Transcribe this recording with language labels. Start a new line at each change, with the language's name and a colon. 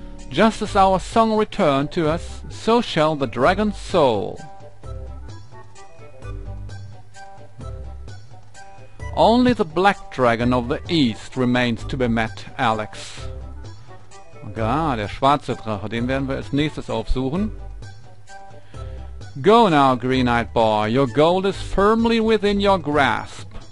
English: Just as our song returned to us, so shall the dragon's soul. Only the black dragon of the east remains to be met, Alex.
German: Ja, der schwarze Drache, den werden wir als nächstes aufsuchen.
English: Go now, green-eyed boy. Your gold is firmly within your grasp.